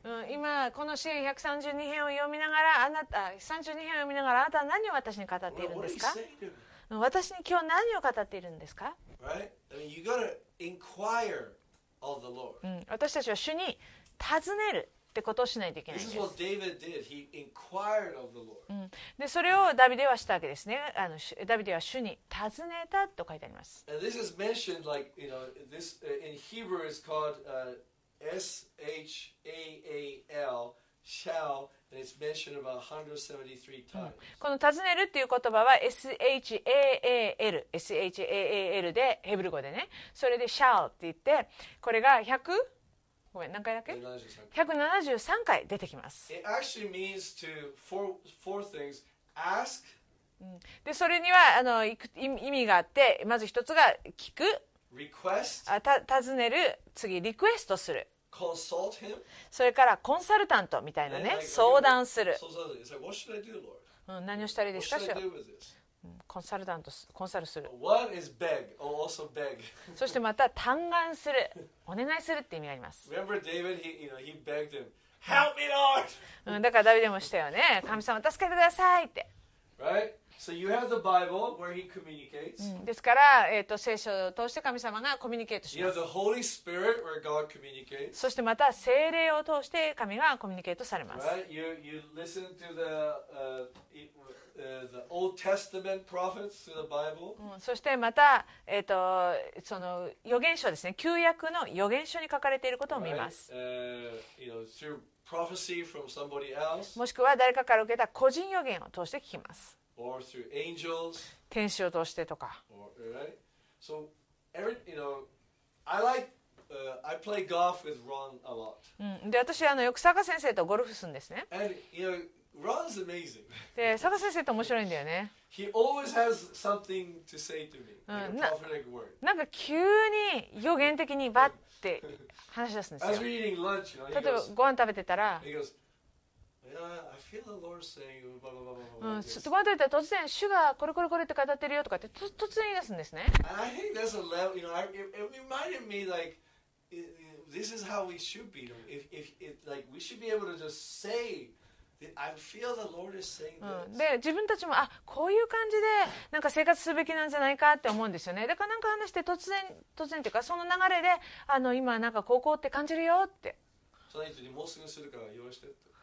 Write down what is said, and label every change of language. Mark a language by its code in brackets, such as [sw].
[ja] 今この詩篇132編を読みながら、あなた32編を読みながら、あなたは何を私に語っているんですか。私に今日何を語っているんですか。 [en] Right? I mean, you gotta inquire of the Lord. [ja] 私たちは主に尋ねるってことをしないといけないです。 [en] This is what David did. He inquired of the Lord. [ja] で、それをダビデはしたわけですね。ダビデは主に尋ねたと書いてあります。 [en] And this is mentioned like, you know, this in Hebrew is called S-H-A-A-L, shall, and it's mentioned about 173 times. [ja] この尋ねるっていう言葉は S-H-A-A-L、S-H-A-A-L でヘブル語でね。それで shall って言って、これが 100? ごめん、何回だっけ173回出てきます。 [en] It actually means to four things. Ask. [ja] でそれには意味があって、まず一つが聞く、 [en] Request. [ja] 尋ねる、次リクエストする、 [en] Consult him. [ja] それからコンサルタントみたいなね、 [en] like, [ja] 相談する。 [en] What should I do, Lord? [ja] 何をしたらいいですか。 [en] What should I do with this? [ja] コンサルタント、コンサルする。 [en] One is beg, or also beg. [ja] そしてまた嘆願する、お願いするって意味があります。 [en] Remember David, he, you know, he begged him, Help me, Lord! [ja] だからダビデもしたよね、神様助けてくださいって。 [en] Right? So you have the Bible where he communicates. [ja] ですから、聖書を通して神様がコミュニケートします。 [en] You have the Holy Spirit where God communicates. [ja] そしてまた聖霊を通して神がコミュニケートされます。 [en] Right? You listen to the the Old Testament prophets through the Bible. [ja] そしてまた、その預言書ですね、旧約の預言書に書かれていることを見ます。 [en] Right. You know, through prophecy from somebody else. [ja] もしくは誰かから受けた個人預言を通して聞きます。 [en] Or through angels. [ja] 天使を通してとか。 [en] Right. So, I like. I play golf with Ron a lot. [ja] で私よく坂先生とゴルフするんですね。 [en] And, you know,Ron's amazing. [ja] で坂先生って面白いんだよね。 [en] He always has something to say to me, like a prophetic word. [ja] なんか急に予言的にバッて話し出すんですよ。 [en] As we're eating lunch, you know, [ja] 例えばご飯食べてたら、 [en] he goes, yeah, I feel the Lord saying, blah, blah, blah, blah, [ja] blah. ご飯食べたら突然主がこれこれこれって語ってるよとかって突然言い出すんですね。 [en] I think that's a level, you know, it reminded me like, this is how we should be. If like, we should be able to just say. I feel the Lord is saying this. [ja] で自分たちもあこういう感じでなんか生活すべきなんじゃないかって思うんですよね。だからなんか話して突然っていうかその流れで今なんか高校って感じるよって、その人にもうすぐするから用意してって。